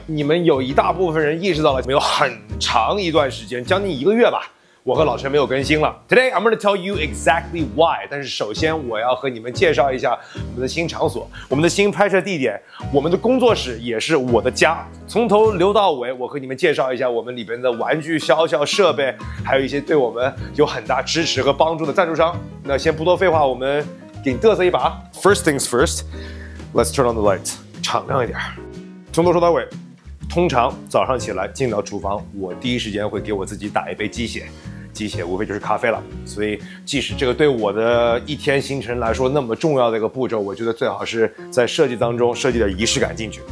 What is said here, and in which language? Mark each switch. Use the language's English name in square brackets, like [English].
[Chinese] 你们有一大部分人意识到了，没有很长一段时间，将近一个月吧，我和老陈没有更新了。 [English] Today, I'm going to tell you exactly why. [Chinese] 但是首先我要和你们介绍一下我们的新场所，我们的新拍摄地点，我们的工作室也是我的家。从头留到尾，我和你们介绍一下我们里边的玩具、消消设备，还有一些对我们有很大支持和帮助的赞助商。那先不多废话，我们给你嘚瑟一把。 [English] First things first, let's turn on the lights. [Chinese] 敞亮一点。从头说到尾，通常早上起来进到厨房，我第一时间会给我自己打一杯鸡血，鸡血无非就是咖啡了。所以即使这个对我的一天行程来说那么重要的一个步骤，我觉得最好是在设计当中设计点仪式感进去。